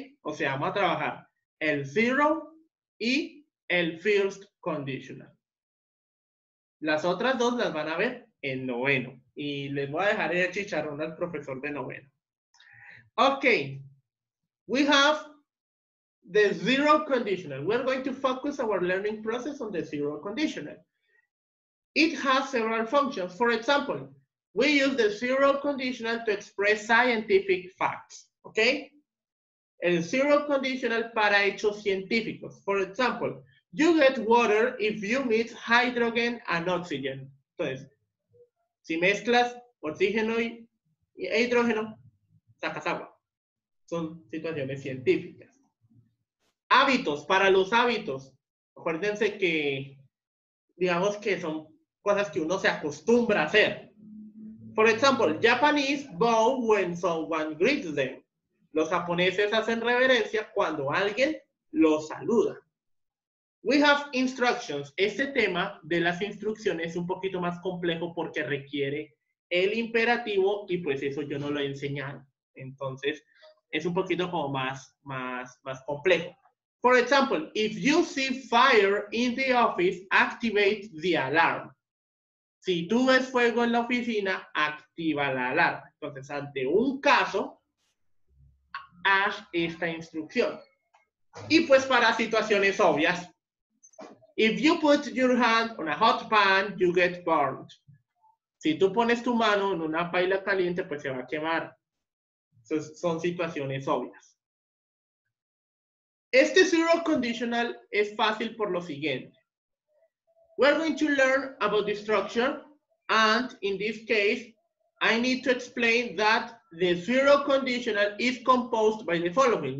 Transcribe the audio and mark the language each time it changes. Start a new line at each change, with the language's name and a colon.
Spanish: O sea, vamos a trabajar el zero y el first conditional. Las otras dos las van a ver en noveno. Y les voy a dejar el chicharrón al profesor de noveno. Ok.
English: We have the zero conditional. We're going to focus our learning process on the zero conditional. It has several functions. For example, we use the zero conditional to express scientific facts, okay?
Spanish: El zero conditional para hechos científicos.
English: For example, you get water if you mix hydrogen and oxygen.
Spanish: Entonces, si mezclas oxígeno y hidrógeno, sacas agua. Son situaciones científicas. Hábitos, para los hábitos. Acuérdense que, digamos que son cosas que uno se acostumbra a hacer.
English: For example, Japanese bow when someone greets them.
Spanish: Los japoneses hacen reverencia cuando alguien los saluda.
English: We have instructions.
Spanish: Este tema de las instrucciones es un poquito más complejo porque requiere el imperativo y pues eso yo no lo he enseñado. Entonces, es un poquito como más complejo.
English: For example, if you see fire in the office, activate the alarm.
Spanish: Si tú ves fuego en la oficina, activa la alarma. Entonces, ante un caso, haz esta instrucción. Y pues para situaciones obvias.
English: If you put your hand on a hot pan, you get burned.
Spanish: Si tú pones tu mano en una paila caliente, pues se va a quemar. Entonces, son situaciones obvias. Este zero conditional es fácil por lo siguiente.
English: We're going to learn about the structure. And in this case, I need to explain that the zero conditional is composed by the following.